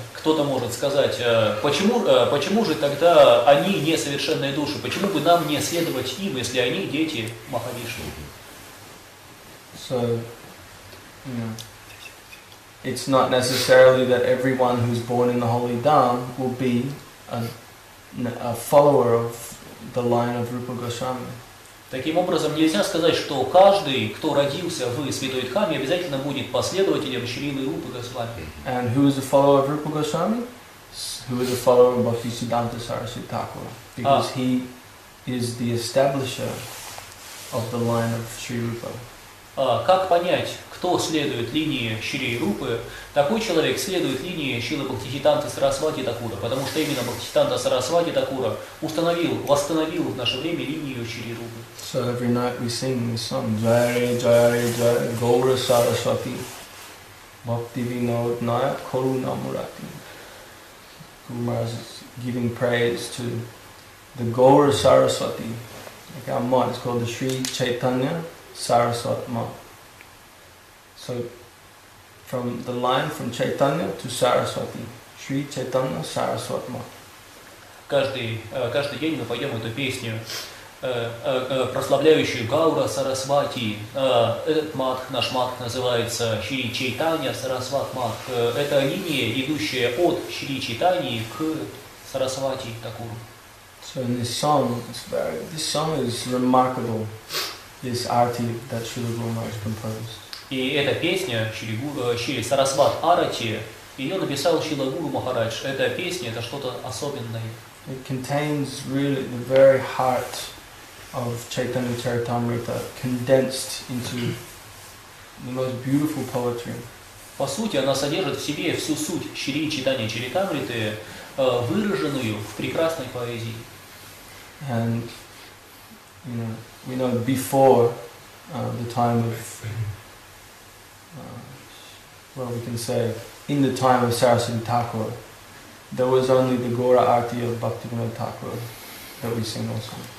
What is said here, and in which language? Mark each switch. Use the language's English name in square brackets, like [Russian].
[Russian] Кто-то может сказать, почему же тогда они несовершенные души? Почему бы нам не следовать им, если они дети Махавишну? [English] So, it's not necessarily that everyone who's born in the Holy Dham will be a follower of the line of Rupa Goswami. [Russian] Таким образом, нельзя сказать, что каждый, кто родился в Святой Дхаме, обязательно будет последователем Шрилы Рупы Госвами. [English] And who is a follower of Rupa Goswami? Who is a follower of Bhaktisiddhanta Sarasvati Thakura? Because he is the establisher of the line of Shri Rupa. [Russian] Как понять, кто следует линии Шри Рупы? Такой человек следует линии Шрилы Бхактисиддханты Сарасвати Такура, потому что именно Бхактисиддханта Сарасвати Такура восстановил в наше время линию Шри Рупы. [English] So every night we sing this song, Jaya Jaya Jaya Gaura Saraswati Bhaktivinod Nayak Kuru Namurati. Guru Maharaj is giving praise to the Gaura Saraswati. Like our mind is called the Sri Chaitanya Saraswati Ma. So from the line from Chaitanya to Saraswati, Sri Chaitanya Saraswati Ma. [Russian] Каждый день мы поем эту песню, прославляющую Гаура Сарасвати. Этот матх, наш матх называется Шри Чайтанья Сарасват матх. Это линия, идущая от Шри Чайтаньи к Сарасвати Такуру. [English] So in this song is remarkable. This arati that Shri Guru Maharaj composed. [Russian] И эта песня Шри Сарасват Арати, ее написал Шрила Гуру Махарадж. Эта песня — это что-то особенное. [English] It contains really the very heart of Chaitanya Charitamrita condensed into the most beautiful poetry. [Russian] По сути, она содержит в себе всю суть Шри Чайтанья Чаритамриты, выраженную в прекрасной поэзии. [English] And we know before the time of we can say in the time of Sarasvati Thakur, there was only the Gaura Arati of Bhaktivinoda Thakur that we sing also.